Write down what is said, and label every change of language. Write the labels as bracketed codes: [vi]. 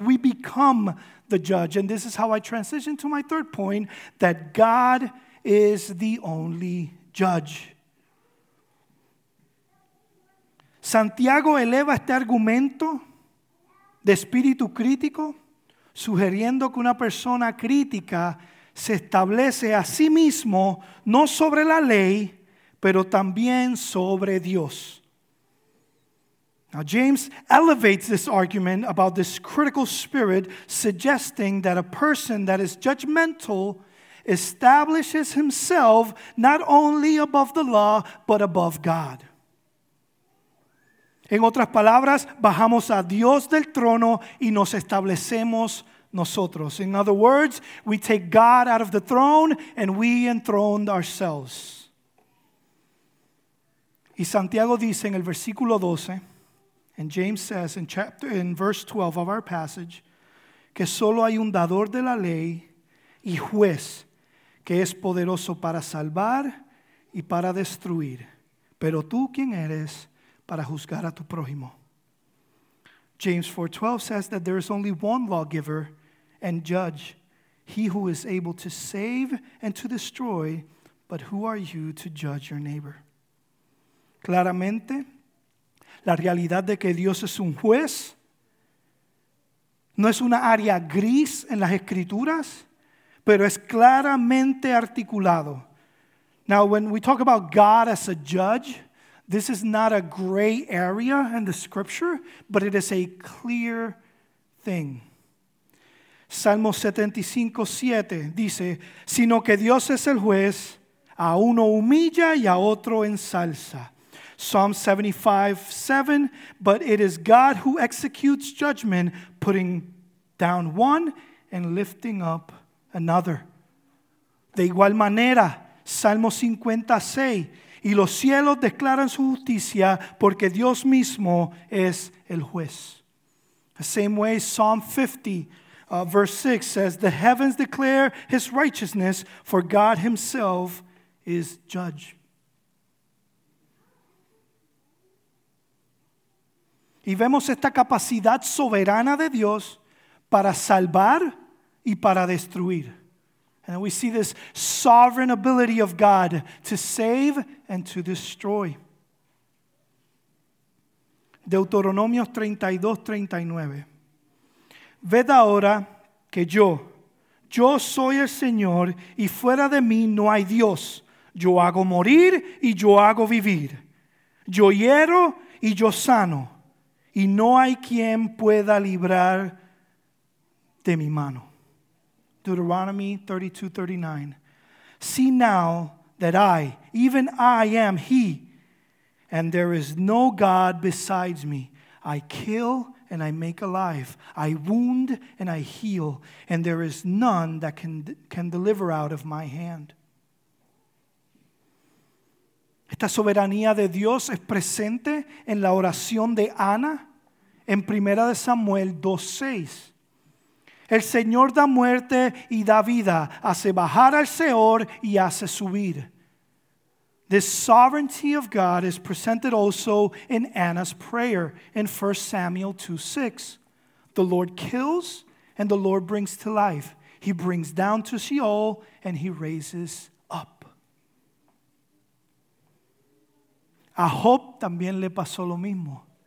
[en] We become the judge. And this is how I transition to my third point, that God is the only judge. [es] Santiago eleva este argumento de espíritu crítico, sugiriendo que una persona crítica se establece a sí mismo no sobre la ley, pero también sobre Dios. [en] Now James elevates this argument about this critical spirit, suggesting that a person that is judgmental establishes himself not only above the law, but above God. [es] En otras palabras, bajamos a Dios del trono y nos establecemos nosotros. [en] In other words, we take God out of the throne and we enthrone ourselves. [es] Y Santiago dice en el versículo 12, [en] and James says in verse 12 of our passage, [es] que solo hay un dador de la ley y juez, que es poderoso para salvar y para destruir. Pero tú, ¿quién eres para juzgar a tu prójimo? [en] James 4:12 says that there is only one lawgiver and judge, he who is able to save and to destroy, but who are you to judge your neighbor? [es] Claramente, la realidad de que Dios es un juez no es una área gris en las Escrituras, pero es claramente articulado. [en] Now, when we talk about God as a judge, this is not a gray area in the scripture, but it is a clear thing. [es] Salmo 75:7 dice, sino que Dios es el juez, a uno humilla y a otro ensalza. [en] Psalm 75:7, but it is God who executes judgment, putting down one and lifting up another. [es] De igual manera, Salmo 56, y los cielos declaran su justicia porque Dios mismo es el juez. [en] The same way, Psalm 50, verse 6 says, the heavens declare his righteousness, for God himself is judge. [es] Y vemos esta capacidad soberana de Dios para salvar y para destruir. [en] And we see this sovereign ability of God to save and to destroy. [es] Deuteronomio 32:39. Ved ahora que yo soy el Señor, y fuera de mí no hay Dios. Yo hago morir y yo hago vivir. Yo hiero y yo sano. y no hay quien pueda librar de mi mano. [en] Deuteronomy 32:39. See now that I, even I am he, and there is no God besides me. I kill and I make alive. I wound and I heal, and there is none that can deliver out of my hand. [es] Esta soberanía de Dios es presente en la oración de Ana en 1 Samuel 2:6. El Señor da muerte y da vida, hace bajar al Seor y hace subir. [en] This sovereignty of God is presented also in Anna's prayer in 1 Samuel 2:6. The Lord kills and the Lord brings to life. He brings down to Sheol and he raises up. [es] A Job también le pasó lo mismo.